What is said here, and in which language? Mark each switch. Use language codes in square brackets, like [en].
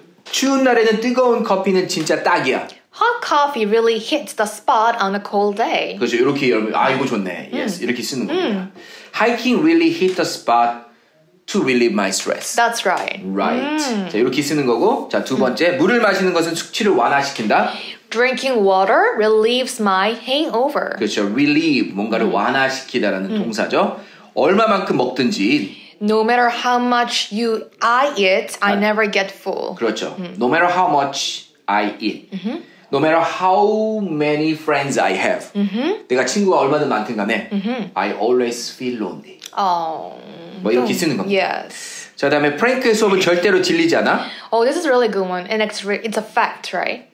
[ko] 추운 날에는 뜨거운 커피는 진짜 딱이야. [en] Hot coffee really hits the spot on a cold day. [ko] 그렇죠. 이렇게 여러분, 아 이거 좋네. [en] Yes, [ko] 이렇게 쓰는 겁니다. [en] Hiking really hit the spot to relieve my stress. That's right. Right. [ko] 자, 이렇게 쓰는 거고. 자, 두 번째. 물을 마시는 것은 숙취를 완화시킨다. [en] Drinking water relieves my hangover. [ko] 그렇죠. Relieve, 뭔가를 완화시키다라는 동사죠. 얼마만큼 먹든지. [en] No matter how much I eat, I never get full. [ko] 그렇죠. [en] No matter how much I eat. Mm-hmm. No matter how many friends I have, mm-hmm. [ko] 내가 친구가 얼마든 많든 간에, mm-hmm. [en] I always feel lonely. Oh, [ko] 뭐 이렇게 쓰는 겁니다. [en] Yes. [ko] 자, 다음에 프랭크의 수업은 절대로 질리지 않아? [en] Oh, this is a really good one. And it's a fact, right?